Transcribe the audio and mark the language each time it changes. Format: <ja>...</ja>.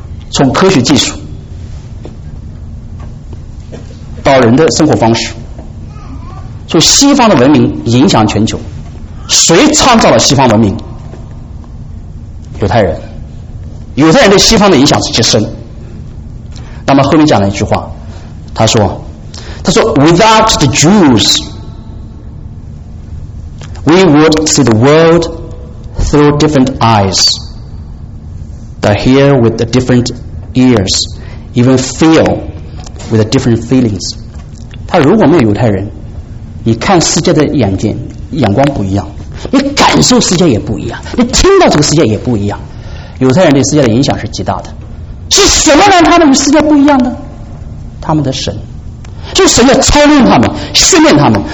<zh>从科学技术到人的生活方式，就西方的文明影响全球。谁创造了西方文明？犹太人。犹太人对西方的影响是极深。那么后面讲了一句话，他说</zh> <en>Without the Jews we would see the world through different eyes, but hear with a different ears, even feel with a different feelings。</en> <zh>他如果没有犹太人，你看世界的眼睛眼光不一样，你感受世界也不一样，你听到这个世界也不一样。犹太人对世界的影响是极大的。是什么让他们与世界不一样呢？他们的神，就神要操练他们，训练他们。</zh>